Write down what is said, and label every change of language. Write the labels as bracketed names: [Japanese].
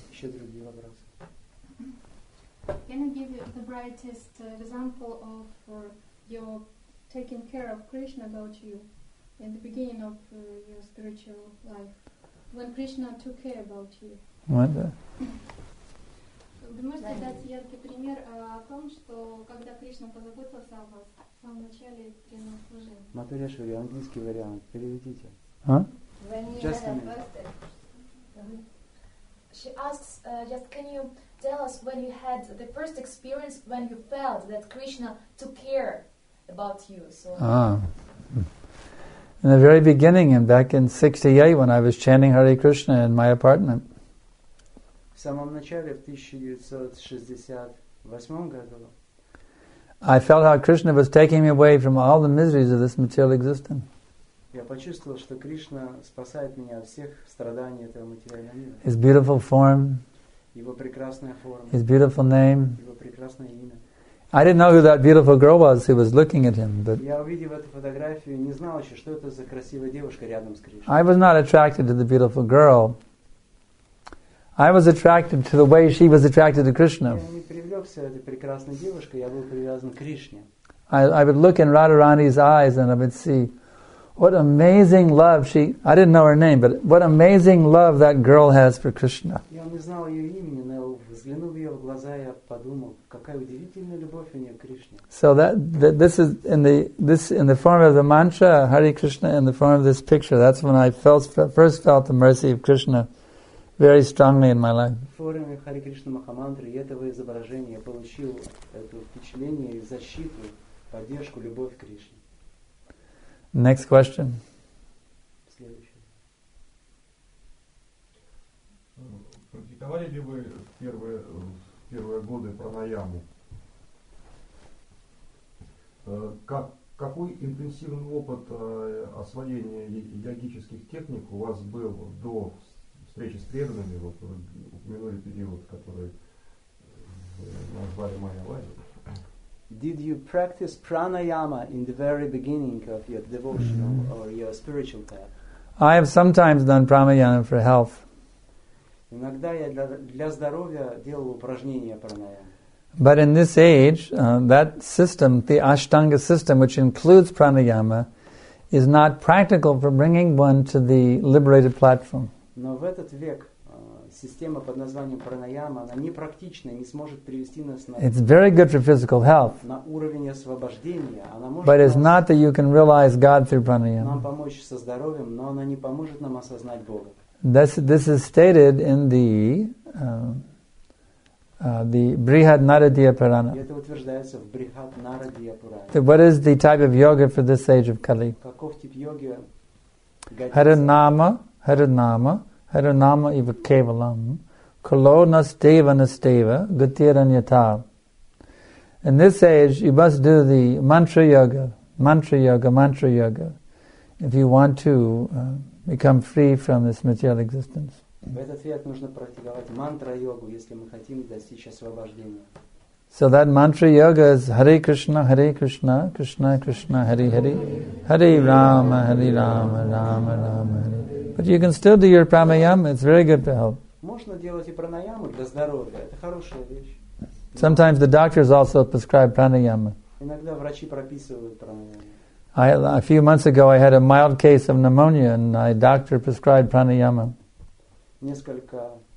[English] Can you give the brightest example of your taking care of Krishna about you in the beginning of your spiritual life, when Krishna took care about you. [Russian] Вы можете дать яркий пример о том, что когда Кришна позаботился о вас в самом начале преданного служения? Матхуряшвили, английский вариант, переведите. А? [English] Just a minute. She asks, just can you tell us when you had the first experience when you felt that Krishna took care about you? So. In the very beginning, and back in 68, when I was chanting Hare Krishna in my apartment. [Russian] В самом начале, в 1968 году. [English] I felt how Krishna was taking me away from all the miseries of this material existence. [Russian] Я почувствовал, что Кришна спасает меня от всех страданий этого материального мира. [English] His beautiful form. [Russian] Его прекрасная форма. [English] His beautiful name. [Russian] Его прекрасное имя. [English] I didn't know who that beautiful girl was who was looking at him, but [Russian] я увидев эту фотографию, не знал еще, что это за красивая девушка рядом с Кришной. [English] I was not attracted to the beautiful girl. I was attracted to the way she was attracted to Krishna. [Russian] Я не привлекся этой прекрасной девушкой, я был привязан к Кришне. [English] I would look in Radharani's eyes and I would see what amazing love she, I didn't know her name, but what amazing love that girl has for Krishna. [Russian] Я не знал ее имени, но взглянув в ее глаза, я подумал, какая удивительная любовь у нее к Кришне. [English] So that this is in the form of the mantra, Hare Krishna, in the form of this picture, that's when I first felt the mercy of Krishna very strongly in my life. [Russian] В форме Hare Krishna Махамантры и этого изображения я получил это впечатление, защиту, поддержку, любовь к Кришне. [English] Next question. [Russian] Практиковали ли вы первые годы пранаяму? Какой интенсивный опыт освоения йогических техник у вас был до встречи с преданными? Вот вы упомянули период, который назвали Майя Вайзер. [English] Did you practice pranayama in the very beginning of your devotional or your spiritual path? I have sometimes done pranayama for health. [Russian] Иногда я для здоровья делал упражнения пранаяма. [English] But in this age, that system, the Ashtanga system, which includes pranayama, is not practical for bringing one to the liberated platform. [Russian] Но в этот век система под названием пранаяма, она не практична, не сможет привести нас на. [English] It's very good for physical health. [Russian] На уровень освобождения, она может. [English] But it's not that you can realize God through pranayama. [Russian] Нам помочь со здоровьем, но она не поможет нам осознать Бога. [English] This is stated in the Brihad Naradiya Purana. [Russian] Это утверждается в Брихад Нарадия Пурана. [English] So what is the type of yoga for this age of Kali? [Russian] Каков тип йоги? [Sanskrit] Харинама, харинама. Харинама ива кевалам, кало настева настева, гатираньята. [English] In this age, you must do the mantra yoga, mantra yoga, mantra yoga, if you want to become free from this material existence. [Russian] В этот век нужно практиковать мантра йогу, если мы хотим достичь освобождения. [English] So that mantra yoga is Hare Krishna, Hare Krishna, Krishna Krishna, Hare Hare, Hare Rama, Hare Rama, Rama Rama, Hare. But you can still do your pranayama, it's very good for health. [Russian] Можно делать и пранаяму для здоровья, это хорошая вещь. [English] Sometimes the doctors also prescribe pranayama. [Russian] Иногда врачи прописывают пранаяму. [English] A few months ago I had a mild case of pneumonia and my doctor prescribed pranayama. [Russian] Несколько.